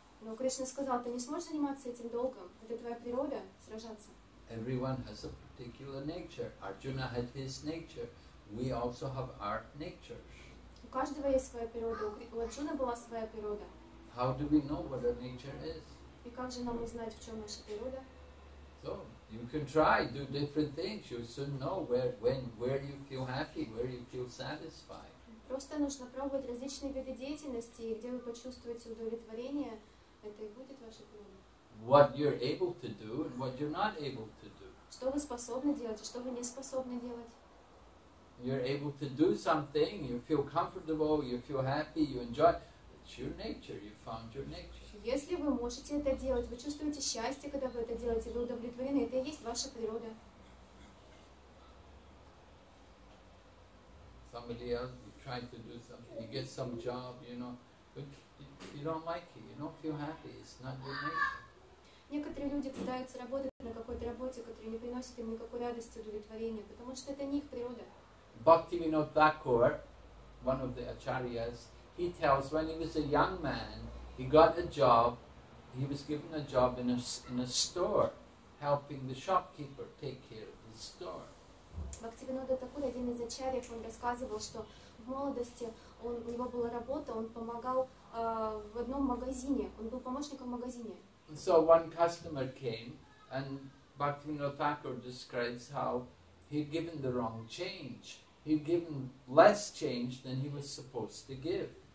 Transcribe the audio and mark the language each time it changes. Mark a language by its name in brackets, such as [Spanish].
[Russian] Но Кришна сказал, ты не сможешь заниматься этим долгом, это твоя природа, сражаться. [English] Everyone has a particular nature. Arjuna had his nature. We also have our natures. [Russian] У каждого есть своя природа. У Арджуны была своя природа. [English] How do we know what our nature is? [Russian] И как же нам узнать, в чем наша природа? [English] So you can try, do different things. You soon know where you feel happy, where you feel satisfied. [Russian] Просто нужно пробовать различные виды деятельности, и где вы почувствуете удовлетворение, это и будет ваша природа. [English] What you're able to do and what you're not able to do. [Russian] Что вы способны делать, что вы не способны делать. [English] You're able to do something, you feel comfortable, you feel happy, you enjoy. It's your nature, you found your nature. [Russian] Если вы можете это делать, вы чувствуете счастье, когда вы это делаете, вы удовлетворены, это и есть ваша природа. [English] Somebody else, you try to do something, you get some job, you know, but you don't like it, you don't feel happy, it's not your nature. [Russian] Некоторые люди пытаются работать на какой-то работе, которая не приносит им никакой радости, удовлетворения, потому что это не их природа. [English] Бхактивинод Такур, one of the acharyas, he tells when he was a young man, he got a job, he was given a job in a store, helping the shopkeeper take care of the store. [Russian] Бхактивинод Такур, один из ачарьев, он рассказывал, что в молодости у него была работа, он помогал в одном магазине, он был помощником в магазине. [English] And so one customer came, and Bhaktivinoda Thakur describes how he'd given the wrong change. He'd given less change than he was supposed to give.